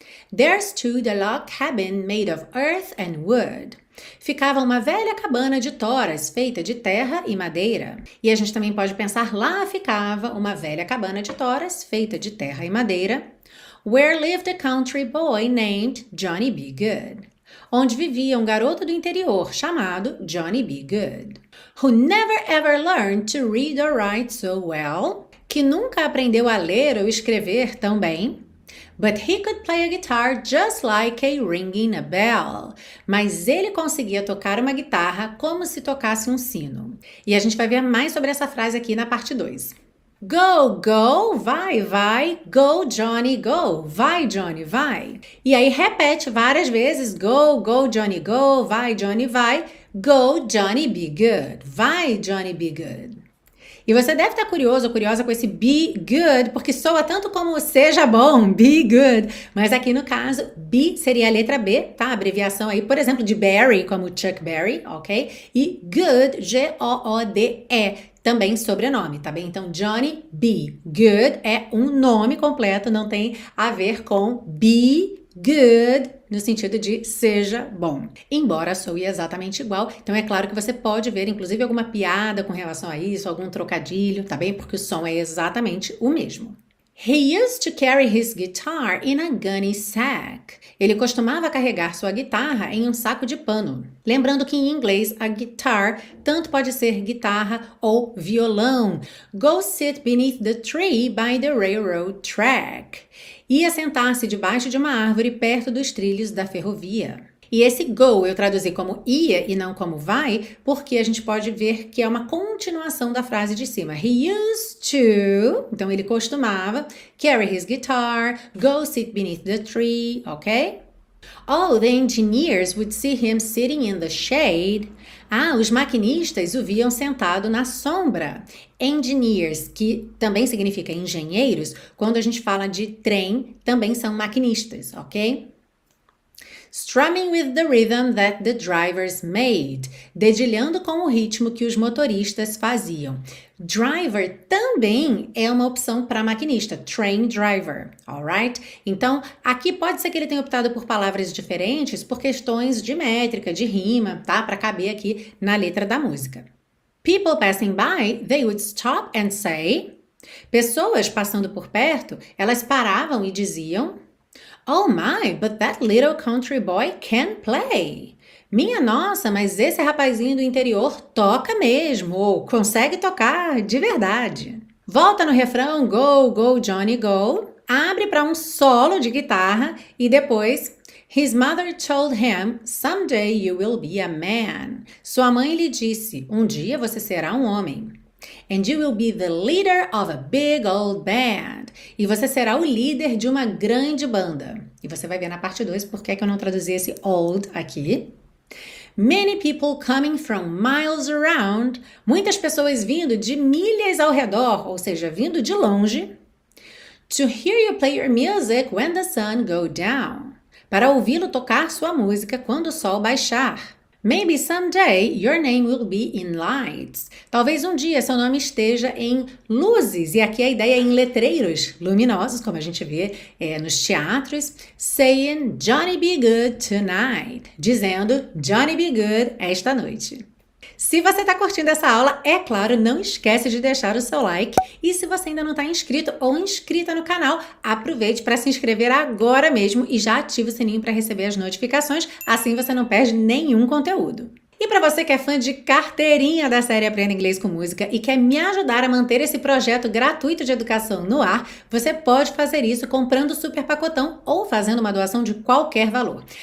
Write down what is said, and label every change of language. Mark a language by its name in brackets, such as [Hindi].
[English] There stood a log cabin made of earth and wood. [Portuguese] Ficava uma velha cabana de toras feita de terra e madeira. E a gente também pode pensar: lá ficava uma velha cabana de toras feita de terra e madeira. [English] Where lived a country boy named Johnny B. Goode. [Portuguese] Onde vivia um garoto do interior chamado Johnny B. Goode. [English] Who never ever learned to read or write so well. [Portuguese] Que nunca aprendeu a ler ou escrever tão bem. [English] But he could play a guitar just like a ringing a bell. [Portuguese] Mas ele conseguia tocar uma guitarra como se tocasse um sino. E a gente vai ver mais sobre essa frase aqui na parte 2. [English] Go, go, [Portuguese] vai, vai. [English] Go, Johnny, go. [Portuguese] Vai, Johnny, vai. E aí repete várias vezes: [English] go, go, Johnny, go. [Portuguese] Vai, Johnny, vai. [English] Go, Johnny, be good. [Portuguese] Vai, Johnny, be good. E você deve estar curioso ou curiosa com esse be good, porque soa tanto como seja bom, be good. Mas aqui no caso, be seria a letra B, tá? Abreviação aí, por exemplo, de Berry, como Chuck Berry, ok? E good, Good, também sobrenome, tá bem? Então, Johnny B. Good é um nome completo, não tem a ver com be good, no sentido de seja bom. Embora soe exatamente igual, então é claro que você pode ver, inclusive, alguma piada com relação a isso, algum trocadilho, tá bem? Porque o som é exatamente o mesmo. [English] He used to carry his guitar in a gunny sack. [Portuguese] Ele costumava carregar sua guitarra em um saco de pano. Lembrando que em inglês, a guitar tanto pode ser guitarra ou violão. [English] Go sit beneath the tree by the railroad track. [Portuguese] Ia sentar-se debaixo de uma árvore perto dos trilhos da ferrovia. E esse go eu traduzi como ia e não como vai, porque a gente pode ver que é uma continuação da frase de cima. [English] He used to, [Portuguese] então ele costumava, [English] carry his guitar, go sit beneath the tree, ok? Oh, the engineers would see him sitting in the shade. [Portuguese] Ah, os maquinistas o viam sentado na sombra. Engineers, que também significa engenheiros, quando a gente fala de trem, também são maquinistas, ok? [English] Strumming with the rhythm that the drivers made, [Portuguese] dedilhando com o ritmo que os motoristas faziam. Driver também é uma opção para maquinista, train driver, alright? Então, aqui pode ser que ele tenha optado por palavras diferentes por questões de métrica, de rima, tá? Para caber aqui na letra da música. [English] People passing by, they would stop and say. [Portuguese] Pessoas passando por perto, elas paravam e diziam. [English] Oh my, but that little country boy can play. [Portuguese] Minha nossa, mas esse rapazinho do interior toca mesmo, ou consegue tocar de verdade. Volta no refrão, [English] go, go, Johnny, go. [Portuguese] Abre para um solo de guitarra e depois. [English] His mother told him, someday you will be a man. [Portuguese] Sua mãe lhe disse, um dia você será um homem. [English] And you will be the leader of a big old band. [Portuguese] E você será o líder de uma grande banda. E você vai ver na parte 2 por que eu não traduzi esse old aqui. [English] Many people coming from miles around. [Portuguese] Muitas pessoas vindo de milhas ao redor, ou seja, vindo de longe. [English] To hear you play your music when the sun go down. [Portuguese] Para ouvi-lo tocar sua música quando o sol baixar. [English] Maybe someday your name will be in lights. [Portuguese] Talvez um dia seu nome esteja em luzes. E aqui a ideia é em letreiros luminosos, como a gente vê nos teatros. [English] Saying Johnny be good tonight. [Portuguese] Dizendo Johnny be good esta noite. Se você está curtindo essa aula, é claro, não esquece de deixar o seu like. E se você ainda não está inscrito ou inscrita no canal, aproveite para se inscrever agora mesmo e já ative o sininho para receber as notificações. Assim você não perde nenhum conteúdo. E para você que é fã de carteirinha da série Aprenda Inglês com Música e quer me ajudar a manter esse projeto gratuito de educação no ar, você pode fazer isso comprando o super pacotão ou fazendo uma doação de qualquer valor.